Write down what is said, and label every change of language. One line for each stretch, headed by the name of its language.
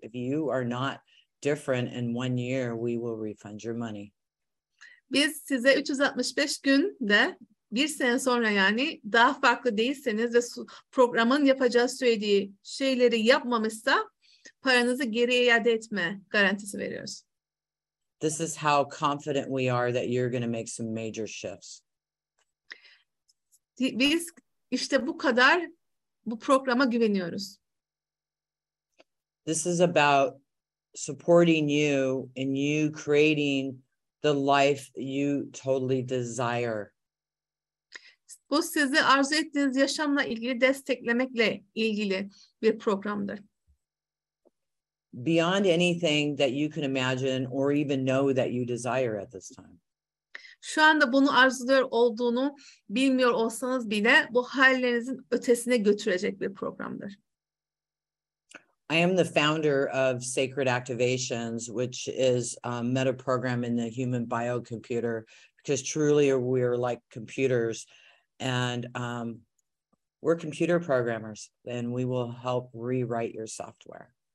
English: If you are not different in 1 year, we will refund your money.
Turkish: Biz size 365 günde, bir sene sonra yani, daha farklı değilseniz ve programın yapacağı söylediği şeyleri yapmamışsa paranızı geri iade etme garantisi veriyoruz.
English: This is how confident we are that you're going to make some major shifts.
Turkish: Biz işte bu kadar bu programa güveniyoruz.
English: This is about supporting you and you creating the life you totally desire.
Turkish: Bu sizi arzu ettiğiniz yaşamla ilgili desteklemekle ilgili bir programdır.
English: Beyond anything that you can imagine or even know that you desire at this time.
Turkish: Şu anda bunu arzuluyor olduğunu bilmiyor olsanız bile bu hayallerinizin ötesine götürecek bir programdır.
English: I am the founder of Sacred Activations, which is a meta program in the human biocomputer, because truly we are like computers and we're computer programmers and we will help rewrite your software.